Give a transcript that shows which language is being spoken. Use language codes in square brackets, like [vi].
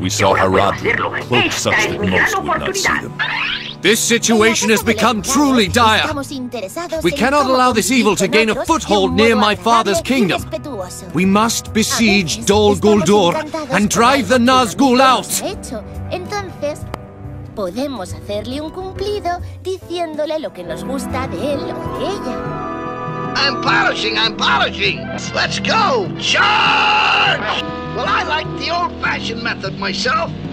[en] We saw Harad cloak such that most would not see them. This situation has become truly dire. We cannot allow this evil to gain a foothold near my father's kingdom. We must besiege Dol Guldur and drive the Nazgul out. [es] Entonces, podemos hacerle un cumplido diciéndole lo que nos gusta de él o de ella. [en] I'm polishing. Let's go. Charge! Well, I like the old-fashioned method myself.